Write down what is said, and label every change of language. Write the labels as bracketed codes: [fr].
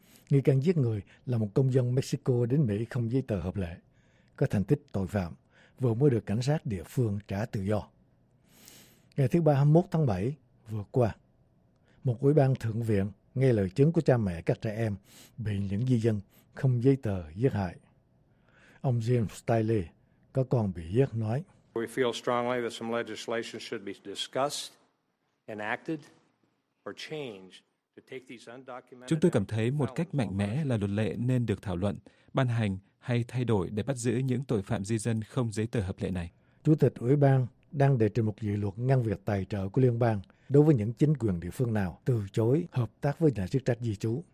[vi] Nghi can giết người là một công dân Mexico đến Mỹ không giấy tờ hợp lệ, có thành tích tội phạm, vừa mới được cảnh sát địa phương trả tự do. Ngày thứ Ba 21 tháng 7 vừa qua, một ủy ban thượng viện nghe lời chứng của cha mẹ các trẻ em bị những di dân không giấy tờ giết hại. Ông Jim Stiley, có con bị giết, nói: [en] "We feel strongly that some legislation should be discussed, enacted, or changed to take these undocumented." [vi] Chúng tôi cảm thấy một cách mạnh mẽ là luật lệ nên được thảo luận, ban hành hay thay đổi để bắt giữ những tội phạm di dân không giấy tờ hợp lệ này. Chủ tịch ủy ban đang đề trình một dự luật ngăn việc tài trợ của liên bang đối với những chính quyền địa phương nào từ chối hợp tác với nhà chức trách di trú.